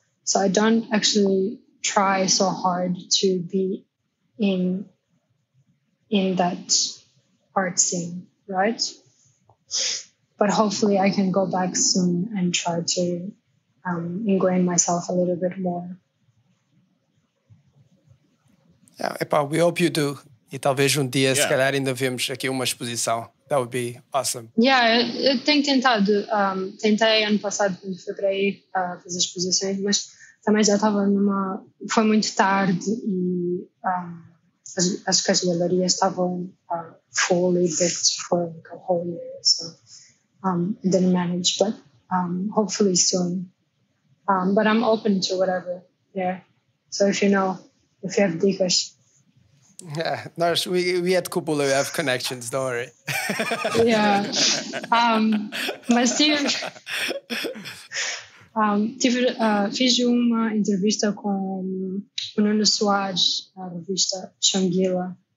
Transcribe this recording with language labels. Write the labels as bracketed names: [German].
[English] So I don't actually try so hard to be in that art scene, right? But hopefully I can go back soon and try to ingrain myself a little bit more. Yeah, we hope you do. [Portuguese] E talvez dia, se calhar, ainda vemos aqui uma exposição. [English] That would be awesome. [Portuguese] Yeah, eu tenho tentado. Tentei ano passado, quando fui para aí, fazer exposições, mas também já estava numa... Foi muito tarde e acho que as galerias estavam [English] fully booked for like a whole year, so didn't manage, but hopefully soon. But I'm open to whatever, yeah. So if you know, if you have dicas... Yeah, we at Kubhula, we have connections, don't worry. Yeah. [Portuguese] Mas tive, fiz uma entrevista com o Nuno Soares, na revista Xanguila.